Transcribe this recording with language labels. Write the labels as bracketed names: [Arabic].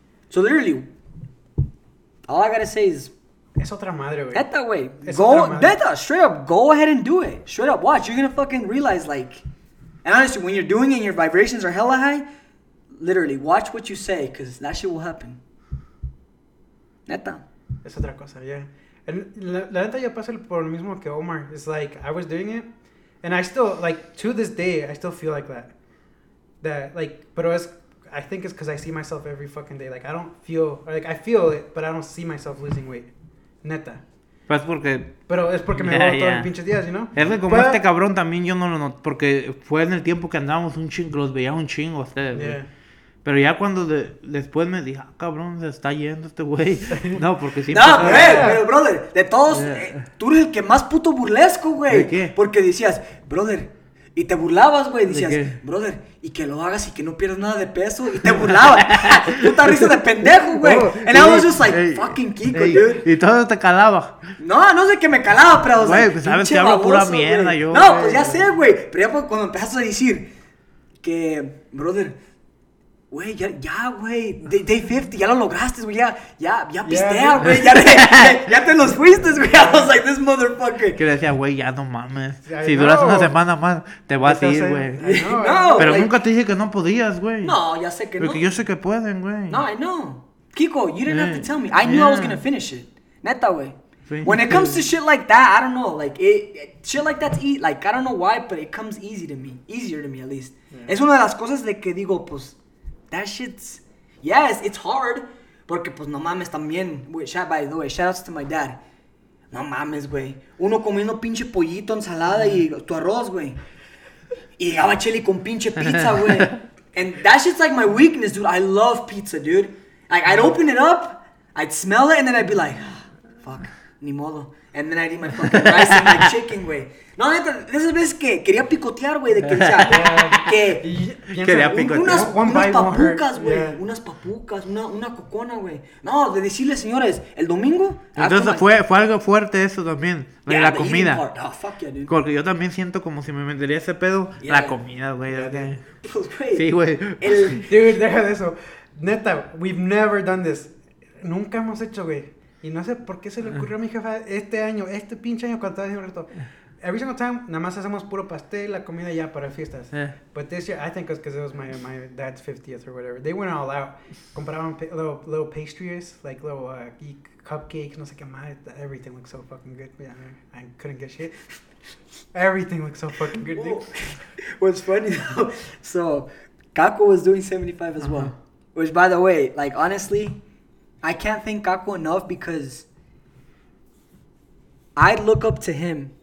[English] So literally, all I gotta say is... [Spanish] Es otra madre, güey. Neta, güey. [English] Go, neta, straight up, go ahead and do it. Straight up, watch. You're gonna fucking realize, like... And honestly, when you're doing it and your vibrations are hella high, literally, watch what you say, because that shit will happen. [Spanish] Neta. Es otra cosa, yeah. La neta, yo paso por lo mismo que Omar. [English] It's like, I was doing it, and I still, like, to this day, I still feel like that. That, like, [Spanish] pero es, [English] I think it's because I see myself every fucking day. Like, I don't feel, or, like, I feel it, but I don't see myself losing weight. [Spanish] Neta. Pues porque... Pero es porque me voy todos los pinches días, [English] you know? [Spanish] Es que como este cabrón también yo no lo noto, porque fue en el tiempo que andábamos un chingo, los veía un chingo a ustedes, güey. Pero ya cuando después me dije, ah, cabrón, se está yendo este güey. No, porque sí. No, pero, brother, de todos, tú eres el que más puto burlesco, güey. ¿De qué? Porque decías, brother, y te burlabas, güey. Decías, brother, y que lo hagas y que no pierdas nada de peso. Y te burlabas. Puta risa de pendejo, güey. [English] And I was just like, fucking Kiko, dude. [Spanish] Y todo te calaba. No, no sé qué me calaba, pero, güey, o sea, pues sabes que hablo pura mierda, güey. Yo. No, pues ya sé, güey. Pero ya cuando empezaste a decir que, brother, güey, ya, güey, day 50, ya lo lograste, güey, ya pistea, güey, ya te los fuiste, güey, [English] I was like, this motherfucker. [Spanish] Que le decía, güey, ya no mames, si duras una semana más, te vas a ir, güey. No, pero like, nunca te dije que no podías, güey. No, ya sé que no. Porque yo sé que pueden, güey. [English] No, I know. Kiko, you didn't have to tell me. I knew I was gonna finish it. [Spanish] Neta, güey. [English] When it comes to shit like that, I don't know, like, shit like that's easy, like, I don't know why, but it comes easier to me, at least. Yeah. [Spanish] Es una de las cosas de que digo, pues... [English] That shit's, yes, it's hard, [Spanish] porque pues no mames también, wey, [English] by the way, shout out to my dad, [Spanish] no mames, güey, uno comiendo pinche pollito, ensalada y tu arroz, güey, y llegaba Chili con pinche pizza, güey, [English] and that shit's like my weakness, dude, I love pizza, dude, like, I'd open it up, I'd smell it, and then I'd be like, oh, fuck, [Spanish] ni modo, [English] and then I'd eat my fucking rice and my chicken, güey. [Spanish] No, neta, de esas veces que quería picotear, güey, de que, o sea, que... Quería picotear. Unas papucas, güey, unas papucas, una cocona, güey. No, de decirle, señores, el domingo... Entonces fue algo fuerte eso también, de la comida. [English] Oh, fuck yeah, dude. [Spanish] Porque yo también siento como si me metería ese pedo, la comida, güey. [English] Yeah, [Spanish] pues, güey. Sí, güey. Dude, deja de eso. [English] Neta, we've never done this. [Spanish] Nunca hemos hecho, güey. Y no sé por qué se le ocurrió a mi jefa este año, este pinche año, cuando estaba diciendo esto... [English] Every single time, [Spanish] nada más hacemos puro pastel, la comida ya para fiestas. [English] Yeah. But this year, I think it's because it was my dad's 50th or whatever. They went all out. [Spanish] Compraron [English] little pastries, like little cupcakes, [Spanish] no sé qué más. [English] Everything looked so fucking good. Yeah, I couldn't get shit. Everything looked so fucking good. Well, what's funny though, so Kako was doing 75 as well. Which, by the way, like honestly, I can't thank Kako enough because I look up to him.